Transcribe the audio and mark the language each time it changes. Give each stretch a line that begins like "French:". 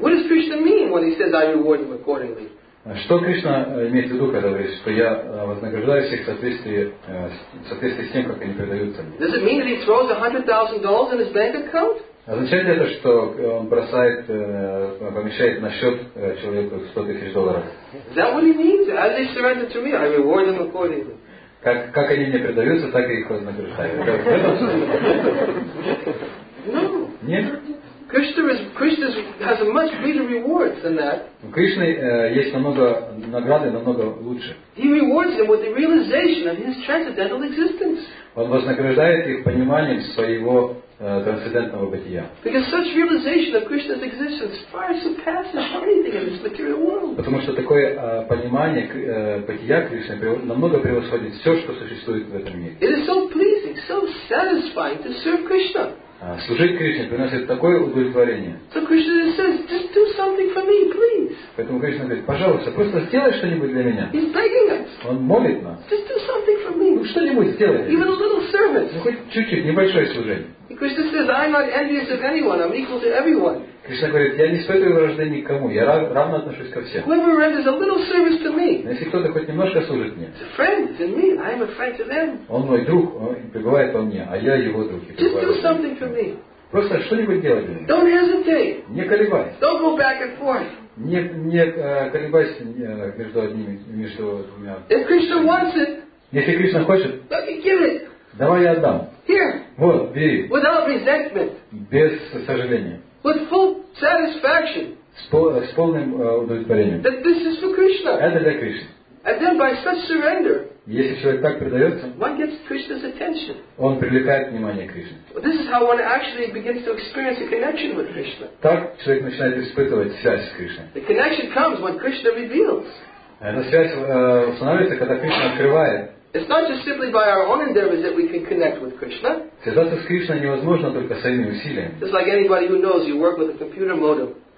English: What does Krishna mean when he says, "I reward them accordingly"?
Russian: Что Кришна имеет в виду, когда говорит, что я вознаграждаю всех в соответствии с тем, как они предаются мне?
English: Does it mean that he throws $100,000 in his bank account?
Russian: Означает ли это, что он бросает, помещает на счет человеку $100,000?
English: Is that what he means? As they surrender to me, I reward them accordingly.
Russian: Как они мне предаются, так и их вознаграждаю.
English: No.
Russian: Нет.
English: Krishna has a much bigger reward than that.
Russian: У Кришны есть намного награды, намного лучше.
English: He rewards them with the realization of his transcendental existence.
Russian: Он вознаграждает их пониманием своего трансцендентного бытия.
English: Because such realization of Krishna's existence far surpasses anything in this material world.
Russian: Потому что такое понимание бытия Кришны намного превосходит все, что существует в этом мире.
English: It is so pleasing, so satisfying to serve Krishna.
Russian: Служить Кришне приносит такое удовлетворение.
English: So Krishna says, just do something for me, please.
Russian: Поэтому Кришна говорит, пожалуйста, просто сделай что-нибудь для меня.
English: He's begging us.
Russian: Он молит нас.
English: Just do something for me.
Russian: Ну что-нибудь сделай.
English: Even a little service.
Russian: Ну хоть чуть-чуть, небольшое служение.
English: And Krishna says, I'm not envious of anyone. I'm equal to everyone.
Russian: Кришна говорит, я не испытываю вражды никому, я равно отношусь ко всем.
English: Whoever renders a little service to me.
Russian: Но если кто-то хоть немножко служит мне.
English: It's a friend to me. I'm a friend to them.
Russian: Он мой друг, он пребывает во мне, а я его друг.
English: Just do something for me.
Russian: Просто что-нибудь делать для меня.
English: Don't hesitate.
Russian: Не колебайся.
English: Don't go back and forth.
Russian: Не колебайся между одними, между двумя.
English: If Krishna wants it.
Russian: Если Кришна хочет.
English: Let me give it.
Russian: Давай я отдам.
English: Here.
Russian: Вот, бери.
English: Without resentment.
Russian: Без сожаления.
English: With full satisfaction.
Russian: С полным удовлетворением.
English: That this is for Krishna.
Russian: Это для Кришны.
English: And then by such surrender.
Russian: Если человек так предается.
English: One gets Krishna's attention.
Russian: Он привлекает внимание Кришны.
English: This is how one actually begins to experience a connection with Krishna.
Russian: Так человек начинает испытывать связь с Кришной.
English: The connection comes when Krishna reveals.
Russian: Эта связь устанавливается, когда Кришна открывает.
English: It's not just simply by our own endeavors that we can connect with Krishna.
Russian: Связаться с Кришной невозможно только своими усилиями.
English: Just like anybody who knows, you work with a computer modem.